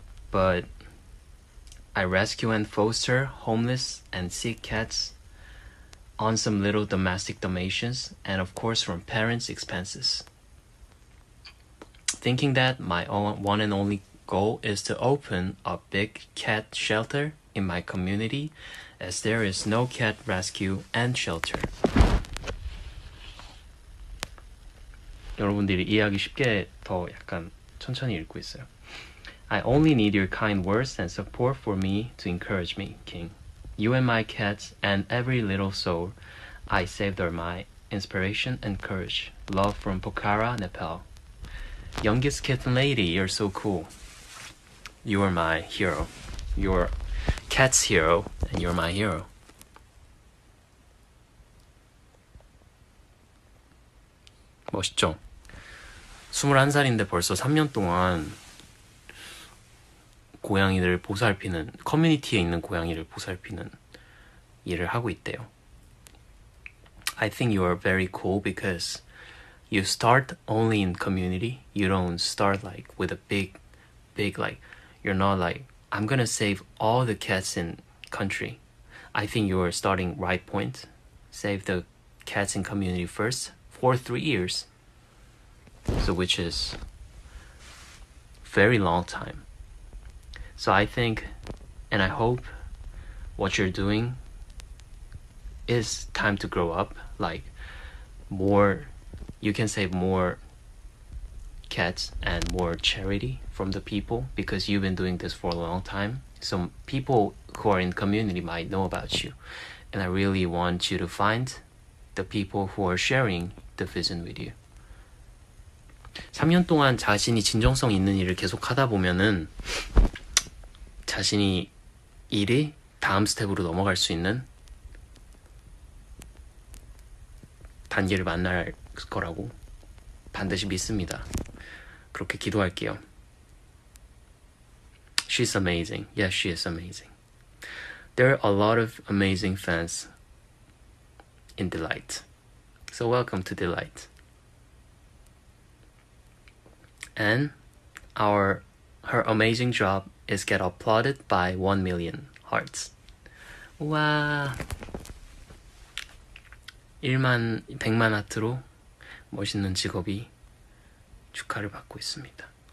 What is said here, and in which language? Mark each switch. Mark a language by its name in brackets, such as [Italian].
[English] But I rescue and foster homeless and sick cats on some little domestic donations and of course from parents' expenses. Thinking that my own one and only goal is to open a big cat shelter in my community as there is no cat rescue and shelter. [Korean] 여러분들이 이해하기 쉽게 더 약간 천천히 읽고 있어요. [English] I only need your kind words and support for me to encourage me, King. You and my cats and every little soul I saved are my inspiration and courage. Love from Pokhara, Nepal. Youngest kitten lady, you're so cool. You are my hero. You're cat's hero and you're my hero. Mostjo. [Korean] 21살인데 벌써 3년 동안 고양이들을 보살피는 커뮤니티에 있는 고양이를 보살피는 일을 하고 있대요. [English] I think you are very cool because you start only in community. You don't start like with a big like you're not like I'm gonna save all the cats in country. I think you are starting right point. Save the cats in community first for 3 years. So which is very long time. So I think, and I hope what you're doing is time to grow up, like more, you can save more cats and more charity from the people because you've been doing this for a long time. Some people who are in community might know about you. And I really want you to find the people who are sharing the vision with you. [Korean] 3년 동안 자신이 진정성 있는 일을 계속 하다 보면은 자신이 일이 다음 스텝으로 넘어갈 수 있는 단계를 만날 거라고 반드시 믿습니다. 그렇게 기도할게요. [English] She's amazing. Yes, she is amazing. There are a lot of amazing fans in Delight. So welcome to Delight. And her amazing job is get applauded by 1 million hearts. Wow. [Korean] 1만 100만 하트로 멋있는 직업이 축하를 받고 있습니다.